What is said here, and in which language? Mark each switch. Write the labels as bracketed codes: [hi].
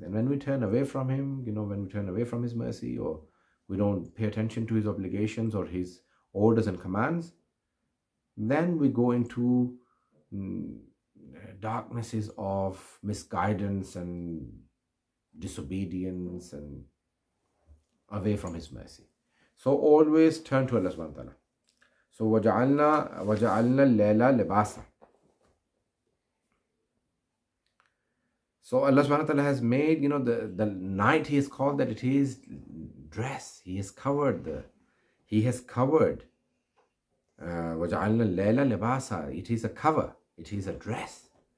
[en] And when we turn away from Him, you know, when we turn away from His mercy or we don't pay attention to His obligations or His orders and commands, then we go into darknesses of misguidance and disobedience and away from His mercy. So always turn to Allah subhanahu wa ta'ala. [ar] So وَجَعَلْنَا اللَّيْلَ لِبَاسًا. [en] So Allah subhanahu wa ta'ala has made, you know, the night, He has called that it is dress. He has covered. [ar] وَجَعَلْنَا اللَّيْلَ لِبَاسًا. [en] It is a cover. It is a dress.